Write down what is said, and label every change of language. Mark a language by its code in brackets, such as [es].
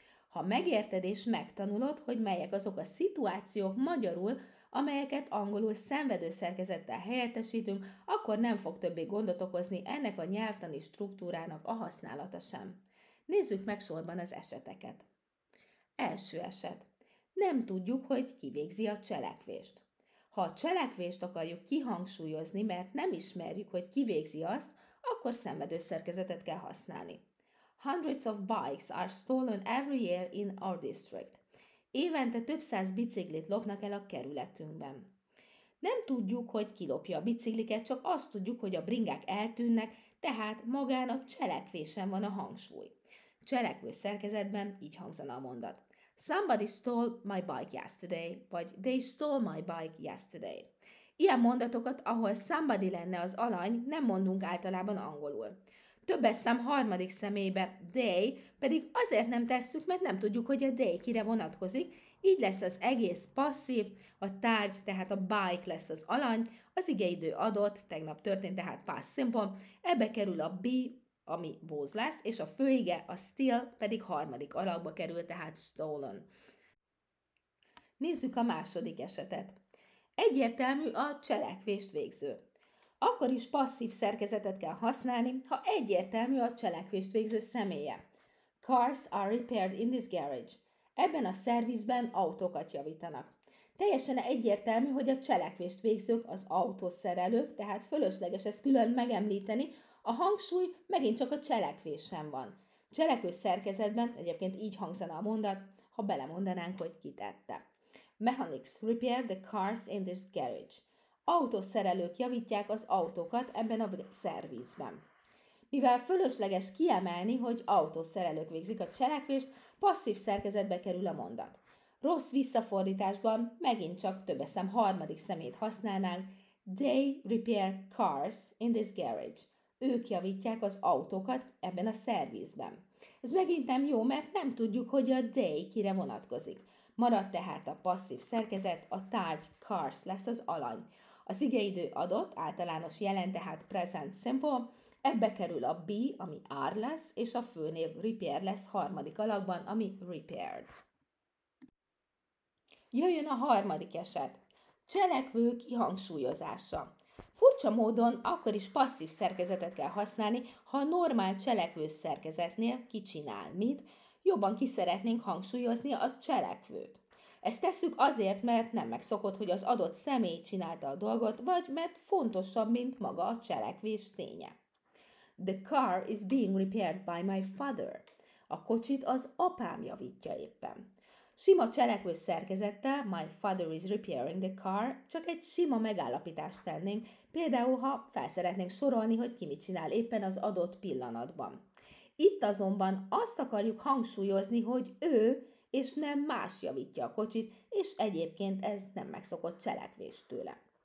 [hu] Ha megérted és megtanulod, hogy melyek azok a szituációk magyarul, amelyeket angolul szenvedő szerkezettel helyettesítünk, akkor nem fog többé gondot okozni ennek a nyelvtani struktúrának a használata sem. Nézzük meg sorban az eseteket. Első eset. Nem tudjuk, hogy ki végzi a cselekvést. Ha a cselekvést akarjuk kihangsúlyozni, mert nem ismerjük, hogy ki végzi azt, akkor szenvedő szerkezetet kell használni. [en] Hundreds of bikes are stolen every year in our district. [hu] Évente több száz biciklit lopnak el a kerületünkben. Nem tudjuk, hogy ki lopja a bicikliket, csak azt tudjuk, hogy a bringák eltűnnek, tehát magán a cselekvésen van a hangsúly. Cselekvő szerkezetben így hangzana a mondat. [en] Somebody stole my bike yesterday, vagy they stole my bike yesterday. [hu] Ilyen mondatokat, ahol somebody lenne az alany, nem mondunk általában angolul. Többes szám harmadik személybe they, pedig azért nem tesszük, mert nem tudjuk, hogy a they kire vonatkozik, így lesz az egész passzív, a tárgy, tehát a bike lesz az alany, az igeidő adott, tegnap történt, tehát past simple, ebbe kerül a be, ami was lesz, és a főige, a still, pedig harmadik alakba kerül, tehát stolen. Nézzük a második esetet. Egyértelmű a cselekvést végző. Akkor is passzív szerkezetet kell használni, ha egyértelmű a cselekvést végző személye. [en] Cars are repaired in this garage. [hu] Ebben a szervizben autókat javítanak. Teljesen egyértelmű, hogy a cselekvést végzők az autószerelők, tehát fölösleges ezt külön megemlíteni, a hangsúly megint csak a cselekvésen van. Cselekvő szerkezetben egyébként így hangzana a mondat, ha belemondanánk, hogy ki tette. [en] Mechanics repair the cars in this garage. [hu] Autószerelők javítják az autókat ebben a szervízben. Mivel fölösleges kiemelni, hogy autószerelők végzik a cselekvést, passzív szerkezetbe kerül a mondat. Rossz visszafordításban megint csak több eszem harmadik szemét használnánk. [en] They repair cars in this garage. [hu] Ők javítják az autókat ebben a szervízben. Ez megint nem jó, mert nem tudjuk, hogy a they kire vonatkozik. Marad tehát a passzív szerkezet, a tárgy cars lesz az alany. Az igeidő adott, általános jelen, tehát present simple, ebbe kerül a be, ami are lesz, és a főnév repair lesz harmadik alakban, ami repaired. Jöjjön a harmadik eset. Cselekvő kihangsúlyozása. Furcsa módon akkor is passzív szerkezetet kell használni, ha a normál cselekvő szerkezetnél ki csinál mit, jobban ki szeretnénk hangsúlyozni a cselekvőt. Ezt tesszük azért, mert nem megszokott, hogy az adott személy csinálta a dolgot, vagy mert fontosabb, mint maga a cselekvés ténye. [en] The car is being repaired by my father. [hu] A kocsit az apám javítja éppen. Sima cselekvő szerkezettel, [en] my father is repairing the car, [hu] csak egy sima megállapítást tennénk, például ha felszeretnénk sorolni, hogy ki mit csinál éppen az adott pillanatban. Itt azonban azt akarjuk hangsúlyozni, hogy ő és nem más javítja a kocsit, és egyébként ez nem megszokott cselekvés tőle.